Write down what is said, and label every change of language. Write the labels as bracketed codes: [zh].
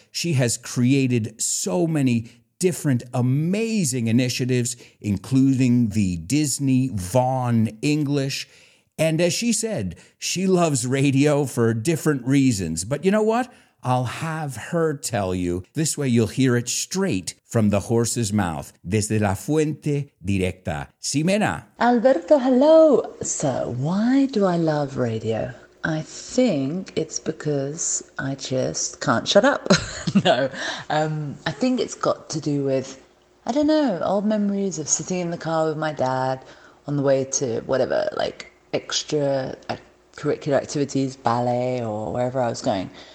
[en] She has created so many different amazing initiatives, including the Disney Vaughn English. And as she said, she loves radio for different reasons. But you know what? I'll have her tell you. This way you'll hear it straight from the horse's mouth. [es] Desde la fuente directa. [en] Ximena. Alberto, hello. So why do I love radio? I think it's because I just can't shut up. No, I think it's got to do with, I don't know, old memories of sitting in the car with my dad on the way to whatever, like extracurricular activities, ballet or wherever I was going.